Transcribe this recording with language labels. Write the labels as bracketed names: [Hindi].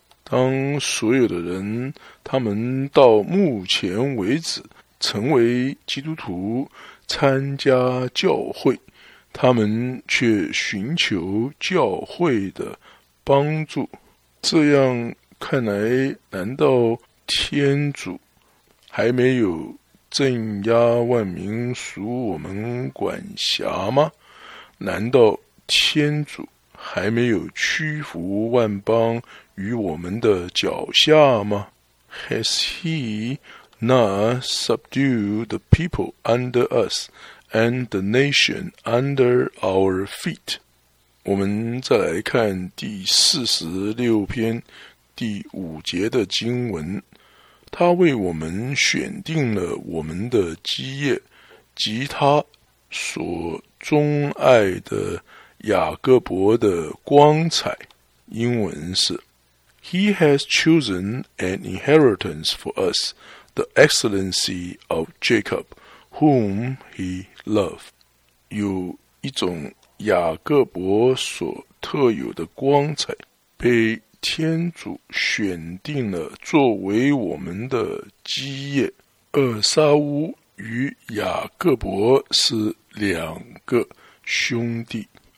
[Chinese] 当所有的人他们到目前为止成为基督徒参加教会，他们却寻求教会的帮助，这样看来，难道天主还没有镇压万民属我们管辖吗？难道天主还没有屈服万邦于我们的脚下吗？ [English] Has he not subdued the people under us and the nation under our feet? [Chinese] 我们再来看第四十六篇第五节的经文，他为我们选定了我们的基业，及他所钟爱的雅各伯的光彩。英文是 [English] He has chosen an inheritance for us, the excellency of Jacob, whom he loved. [Chinese] 有一种雅各伯所特有的光彩，被天主选定了作为我们的基业。厄撒乌与雅各伯是两个兄弟。